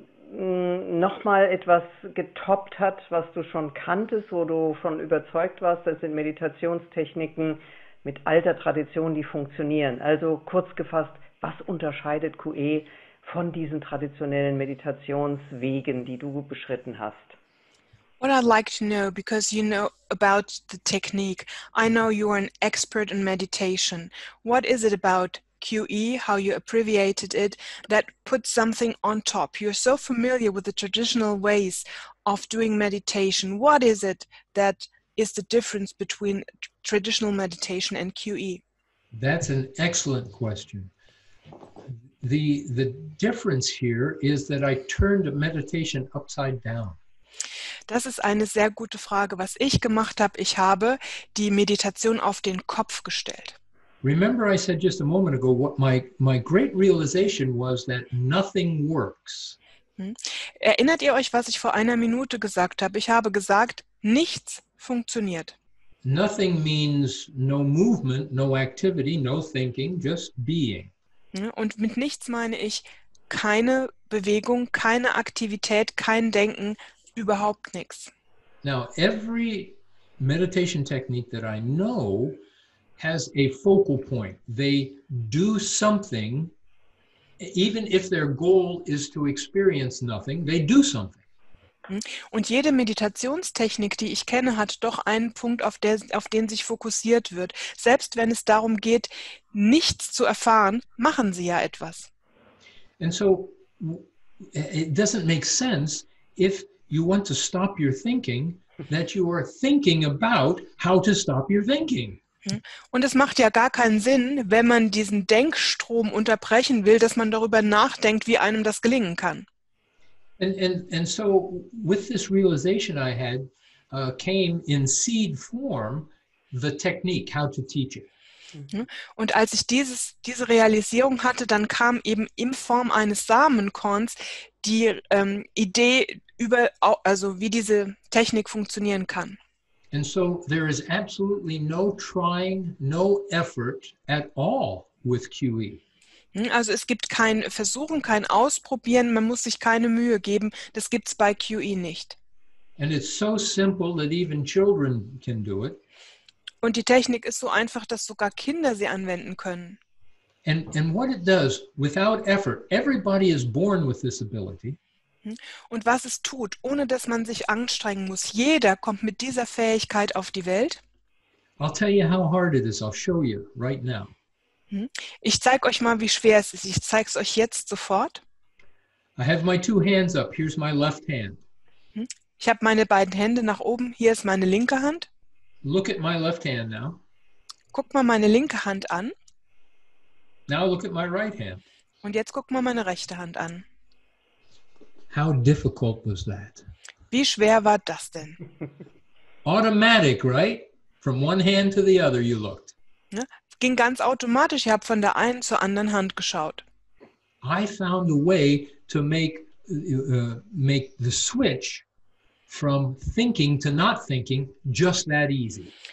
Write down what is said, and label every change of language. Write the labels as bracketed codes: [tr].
[de] noch mal etwas getoppt hat, was du schon kanntest, wo du schon überzeugt warst, das sind Meditationstechniken mit alter Tradition, die funktionieren. Also kurz gefasst, was unterscheidet QE von diesen traditionellen Meditationswegen, die du beschritten hast? [en] What I'd like to know, because you know about the technique, I know you're an expert in meditation. What is it about QE, how you abbreviated it, that puts something on top? You're so familiar with the traditional ways of doing meditation. What is it that is the difference between traditional meditation and QE? That's an excellent question. The difference here is that I turned meditation upside down. [de] Das ist eine sehr gute Frage. Was ich gemacht habe, ich habe die Meditation auf den Kopf gestellt. [en] Remember, I said just a moment ago, what my great realization was that nothing works. [de] Erinnert ihr euch, was ich vor einer Minute gesagt habe? Ich habe gesagt, nichts funktioniert. [en] Nothing means no movement, no activity, no thinking, just being. [de] Und mit nichts meine ich keine Bewegung, keine Aktivität, kein Denken, überhaupt nichts. [en] Now, every meditation technique that I know has a focal point. They do something, even if their goal is to experience nothing, they do something. [de] Und jede Meditationstechnik, die ich kenne, hat doch einen Punkt, auf den sich fokussiert wird. Selbst wenn es darum geht, nichts zu erfahren, machen sie ja etwas. [en] And so, it doesn't make sense, if you want to stop your thinking, that you are thinking about how to stop your thinking. [de] Und es macht ja gar keinen Sinn, wenn man diesen Denkstrom unterbrechen will, dass man darüber nachdenkt, wie einem das gelingen kann. [en] And so with this realization I had, came in seed form the technique, how to teach it. [de] Und als ich diese Realisierung hatte, dann kam eben in Form eines Samenkorns die Idee, über, also wie diese Technik funktionieren kann. [en] And so there is absolutely no trying, no effort at all with QE. [de] Also es gibt kein Versuchen, kein Ausprobieren, man muss sich keine Mühe geben. Das gibt's bei QE nicht. [en] And it's so simple that even children can do it. [de] Und die Technik ist so einfach, dass sogar Kinder sie anwenden können. [en] And what it does, without effort, everybody is born with this ability. [de] Und was es tut, ohne dass man sich anstrengen muss, jeder kommt mit dieser Fähigkeit auf die Welt. [en] I'll tell you how hard it is. I'll show you right now. [de] Ich zeige euch mal, wie schwer es ist. Ich zeige es euch jetzt sofort. [en] I have my two hands up. Here's my left hand. [de] Ich habe meine beiden Hände nach oben. Hier ist meine linke Hand. [en] Look at my left hand now. [de] Guck mal meine linke Hand an. [en] Now look at my right hand. [de] Und jetzt guck mal meine rechte Hand an. [en] How difficult was that? [de] Wie schwer war das denn? [en] Automatic, right? From one hand to the other you looked. [de] Ja, es ging ganz automatisch. Ich habe von der einen zur anderen Hand geschaut. [en] I found a way to make the switch from thinking to not thinking just that easy.